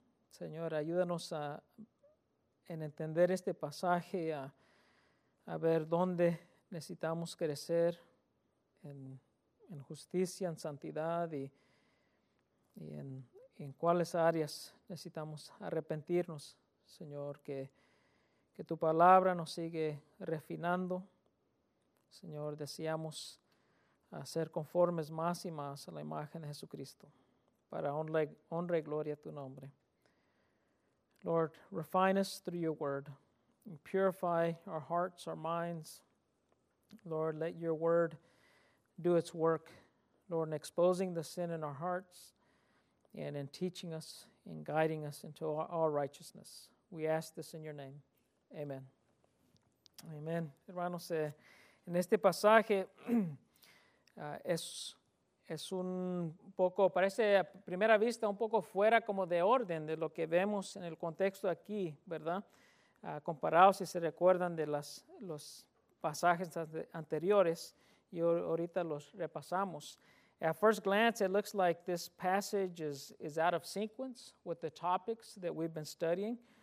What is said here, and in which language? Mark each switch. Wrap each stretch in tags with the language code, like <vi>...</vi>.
<es>Señor, ayúdanos en entender este pasaje, a ver dónde necesitamos crecer en justicia, en santidad y en cuáles áreas necesitamos arrepentirnos. Señor, que tu palabra nos sigue refinando. Señor, deseamos a ser conformes más y más a la imagen de Jesucristo, para honra y gloria a tu nombre.</es> <en>Lord, refine us through your word, and purify our hearts, our minds. Lord, let your word do its work, Lord, in exposing the sin in our hearts, and in teaching us, in guiding us into all righteousness. We ask this in your name. Amen. Amen.</en> <es>Hermanos, en este pasaje, es un poco, parece a primera vista un poco fuera como de orden de lo que vemos en el contexto aquí, ¿verdad? Comparado, si se recuerdan, de los pasajes anteriores, y ahorita los repasamos.</es> <en>At first glance, it looks like this passage is out of sequence with the topics that we've been studying.</en>